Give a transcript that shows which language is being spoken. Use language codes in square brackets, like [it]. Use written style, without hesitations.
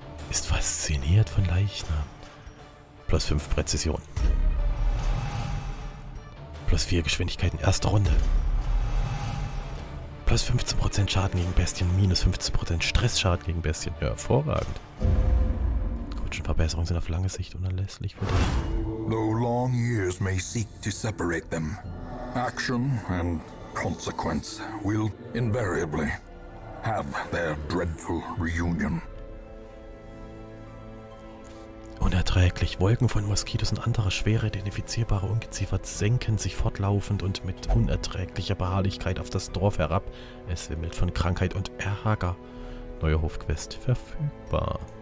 [de] Ist fasziniert von Leichnam. Plus 5 Präzision. Plus 4 Geschwindigkeiten, erste Runde. Plus 15% Schaden gegen Bestien, minus 15% Stressschaden gegen Bestien. Ja, hervorragend. Kutschenverbesserungen sind auf lange Sicht unerlässlich für dich. [en] Though long years may seek to separate them, action and consequence will invariably have their dreadful reunion. [de] Unerträglich. Wolken von Moskitos und anderer schwere identifizierbare Ungeziefer senken sich fortlaufend und mit unerträglicher Beharrlichkeit auf das Dorf herab. Es wimmelt von Krankheit und Ärger. Neue Hofquest verfügbar.